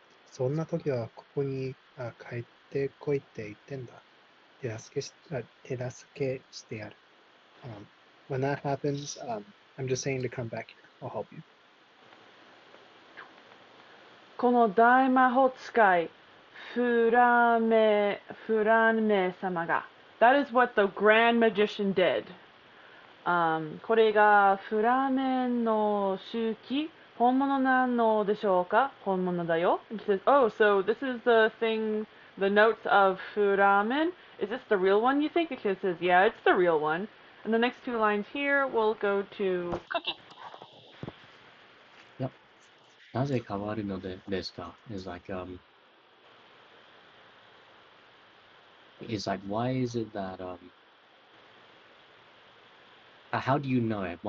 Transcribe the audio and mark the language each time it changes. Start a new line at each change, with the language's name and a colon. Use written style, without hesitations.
Japanese: そんな時はここに帰ってこいって言ってんだ。手助けしてやる。
English: When that happens, I'm just saying to come back here. I'll help you.
Japanese: この大魔法使い。フランメ様が
English: That is what the Grand Magician did.
Japanese: これがフラメの周期本物なのでしょうか本物だよ
English: He says, oh, so this is the thing, the notes of フラメ Is this the real one, you think? He says, yeah, it's the real one. And the next two lines here will go to Cookie. Yep.
Japanese: なぜ変わるのですか
English: It's like, It's like, why is it that, how do you know it?